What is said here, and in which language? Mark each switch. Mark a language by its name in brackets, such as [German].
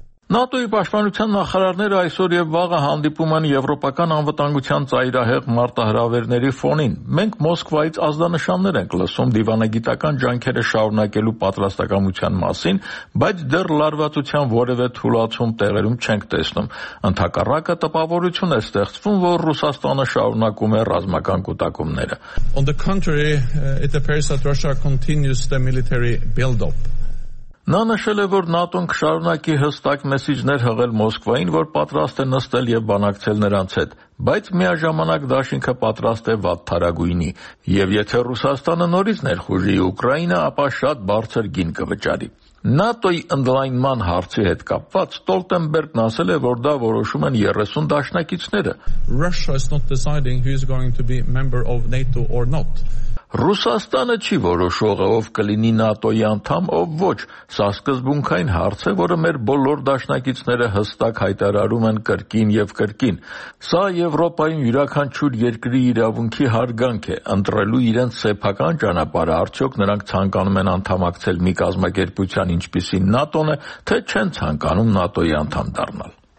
[Armenian] ՆԱՏՕ-ի պաշտպանության նախարարները այսօր եւ վաղը հանդիպում են եվրոպական անվտանգության ծայրահեղ մարտահրավերների ֆոնին։ Մենք Մոսկվայից ազդանշաններ ենք լսում դիվանագիտական ջանքերը շարունակելու պատրաստակամության մասին, բայց դեռ լարվածության որևէ թուլացում տեղերում չենք տեսնում։ Ընդհակառակը տպավորություն է ստեղծվում, որ Ռուսաստանը շարունակում է ռազմական կուտակումները։ [English] On the contrary, it appears that Russia continues the military build-up. [Armenian] Նա նշել է, որ ՆԱՏՕ-ն կշարունակի հստակ մեսիջներ հղել Մոսկվային, որ պատրաստ է նստել եւ բանակցել նրանց հետ, բայց միաժամանակ դաշինքը պատրաստ է վատթարագույնի, եւ եթե Ռուսաստանը նորից ներխուժի Ուկրաինա, ապա շատ բարձր գին կվճարի։ ՆԱՏՕ-ի ընդլայնման հարցի հետ կապված Ստոլտենբերգն ասել է, որ դա որոշում են 30 դաշնակիցները։ [English] Russia is not deciding who is going to be member of NATO or not. [Armenian] Ռուսաստանը չի որոշողը, ով կլինի ՆԱՏՕ-ի անդամ, ով ոչ։ Սա սկզբունքային հարց է, որը մեր բոլոր դաշնակիցները հստակ հայտարարում են կրկին և կրկին։ Սա Եվրոպայում յուրաքանչյուր երկրի իրավունքի հարգանք է, ընտրելու իրենց սեփական ճանապարհը, արդյոք նրանք ցանկանում են անդամակցել մի կազմակերպության, ինչպիսի ՆԱՏՕ-ն է, թե չեն ցանկանում ՆԱՏՕ-ի անդամ դառնալ։